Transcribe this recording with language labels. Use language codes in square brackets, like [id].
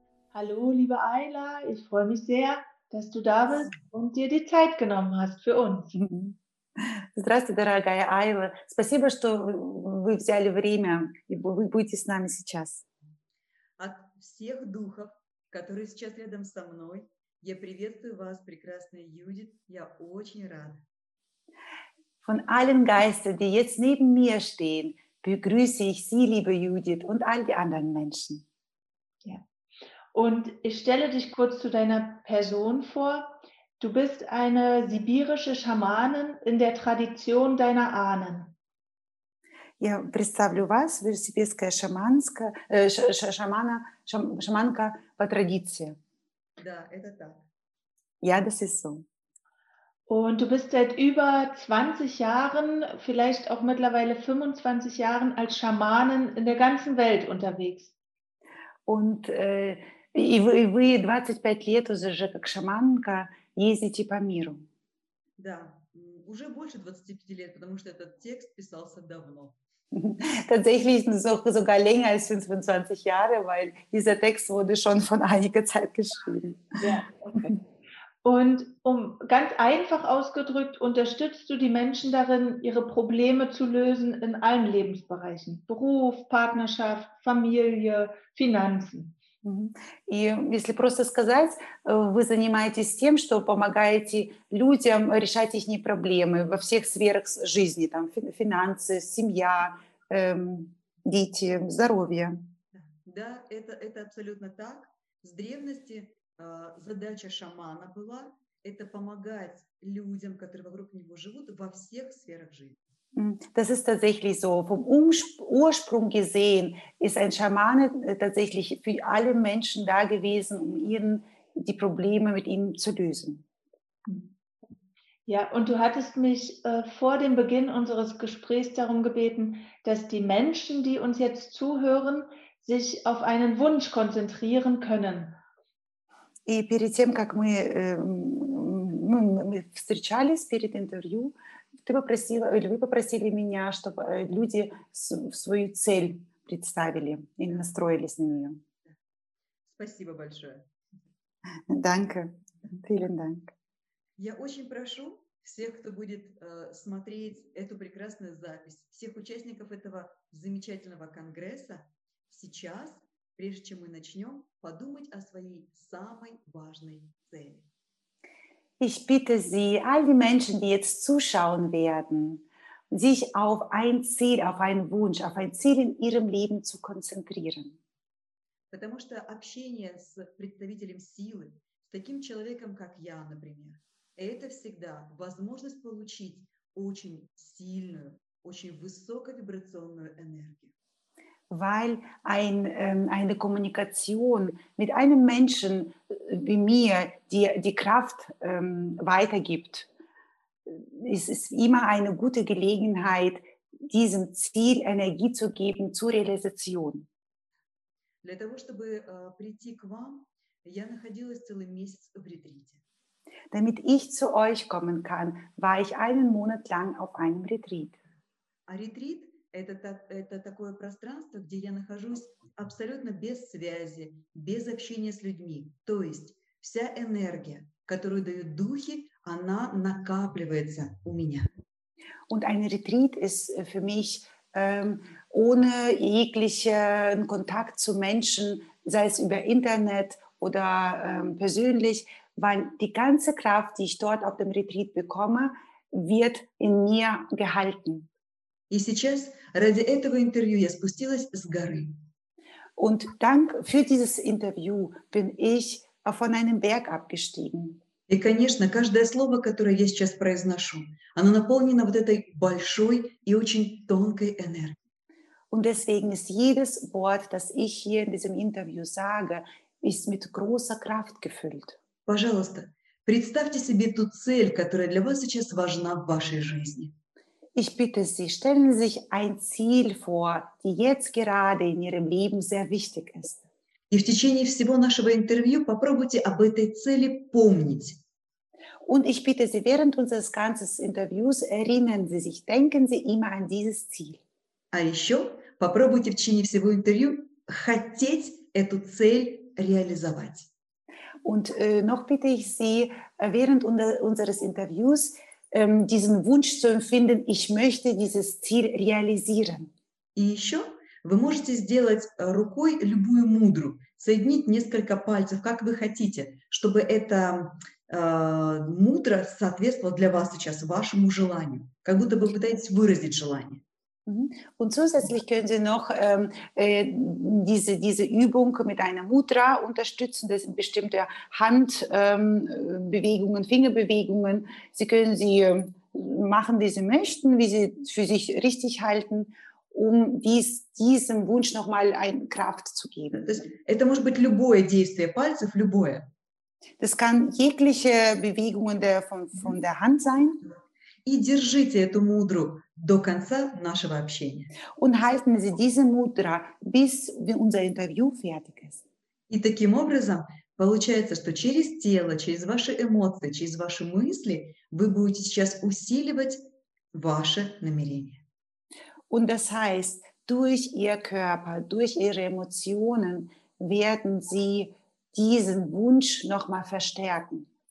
[de] Hallo, liebe Ayla, ich freue mich sehr, dass du da bist und dir die Zeit genommen hast für uns. [ru] Здравствуйте, дорогая Айла. Спасибо, что вы взяли время и вы будете с нами сейчас. От всех духов, которые сейчас рядом со мной, я приветствую вас, прекрасная Юдит, я очень рада. [de] Von allen Geistern, die jetzt neben mir stehen, begrüße ich Sie, liebe Judith, und all die anderen Menschen. Und ich stelle dich kurz zu deiner Person vor. Du bist eine sibirische Schamanin in der Tradition deiner Ahnen. [ru] Я представлю вас, вы сибирская шаманка по традиции. Да, это так. [de] Ja, das ist so. Und du bist seit über 20 Jahren, vielleicht auch mittlerweile 25 Jahren als Schamanin in der ganzen Welt unterwegs. [ru] Und И вы 25 лет уже как шаманка ездите по миру. Да, уже больше 25 лет, потому что этот текст писался давно. [de] Tatsächlich sogar länger als 25 Jahre, weil dieser Text wurde schon von einiger Zeit geschrieben. Und ganz einfach ausgedrückt, unterstützt du die Menschen darin, ihre Probleme zu lösen in allen Lebensbereichen: Beruf, Partnerschaft, Familie, Finanzen. [ru] И если просто сказать, вы занимаетесь тем, что помогаете людям решать их проблемы во всех сферах жизни, там финансы, семья, дети, здоровье. Да, это абсолютно так. С древности задача шамана была – это помогать людям, которые вокруг него живут, во всех сферах жизни. [de] Das ist tatsächlich so. Vom Ursprung gesehen ist ein Schamane tatsächlich für alle Menschen da gewesen, um ihnen die Probleme mit ihnen zu lösen. Ja, und du hattest mich vor dem Beginn unseres Gesprächs darum gebeten, dass die Menschen, die uns jetzt zuhören, sich auf einen Wunsch konzentrieren können. [ru] И перед тем, как мы встречались перед интервью, вы попросили меня, чтобы люди свою цель представили и настроились на нее. Спасибо большое. [de] Danke. Vielen Dank. [ru] Я очень прошу всех, кто будет смотреть эту прекрасную запись, всех участников этого замечательного конгресса, сейчас, прежде чем мы начнем, подумать о своей самой важной цели. [de] Ich bitte Sie, all die Menschen, die jetzt zuschauen werden, sich auf ein Ziel, auf einen Wunsch, auf ein Ziel in ihrem Leben zu konzentrieren. [ru] Потому что общение с представителем силы, с таким человеком, как я, например, это всегда возможность получить очень сильную, очень высоковибрационную энергию. [de] Weil eine Kommunikation mit einem Menschen wie mir, die Kraft weitergibt, ist immer eine gute Gelegenheit, diesem Ziel Energie zu geben zur Realisation. [ru] Для того, чтобы прийти к вам, я находилась целый месяц в ретрите. [de] Damit ich zu euch kommen kann, war ich einen Monat lang auf einem Retreat. [ru] Это такое пространство, где я нахожусь абсолютно без связи, без общения с людьми. То есть вся энергия, которую дают духи, она накапливается у меня. [de] Und ein Retreat ist für mich ohne jeglichen Kontakt zu Menschen, sei es über Internet oder persönlich, weil die ganze Kraft, die ich dort auf dem Retreat bekomme, wird in mir gehalten. [ru] И сейчас ради этого интервью я спустилась с горы. [de] Und dank für dieses Interview bin ich von einem Berg abgestiegen. [ru] И, конечно, каждое слово, которое я сейчас произношу, оно наполнено вот этой большой и очень тонкой энергией. [de] Und deswegen ist jedes Wort, das ich hier in diesem Interview sage, ist mit großer Kraft gefüllt. [ru] Пожалуйста, представьте себе ту цель, которая для вас сейчас важна в вашей жизни. [de] Ich bitte Sie, stellen Sie sich ein Ziel vor, die jetzt gerade in Ihrem Leben sehr wichtig ist. [ru] И в течение всего нашего интервью попробуйте об этой цели помнить. [de] Und ich bitte Sie, während unseres ganzen Interviews erinnern Sie sich, denken Sie immer an dieses Ziel. [ru] А еще попробуйте в течение всего интервью хотеть эту цель реализовать. [de] Und noch bitte ich Sie, während unseres Interviews diesen Wunsch zu empfinden, ich möchte dieses Ziel realisieren. [ru] И еще вы можете сделать рукой любую мудру, соединить несколько пальцев, как вы хотите, чтобы эта мудра соответствовала для вас сейчас, вашему желанию, как будто вы пытаетесь выразить желание. [de] Und zusätzlich können Sie noch diese Übung mit einer Mudra unterstützen. Das sind bestimmte Handbewegungen, Fingerbewegungen. Sie können sie machen, wie Sie möchten, wie Sie für sich richtig halten, um diesem Wunsch nochmal eine Kraft zu geben. [ru] Это может быть любое действие пальцев, любое. [de] Das kann jegliche Bewegungen von der Hand sein. [ru] И держите эту мудру до конца нашего общения. [de] Und halten Sie diese Mudra, bis unser Interview fertig ist. [ru] И таким образом получается, что через тело, через ваши эмоции, через ваши мысли вы будете сейчас усиливать ваше намерение. [de] Und das heißt, durch Ihr Körper, durch Ihre Emotionen werden Sie diesen Wunsch nochmal verstärken.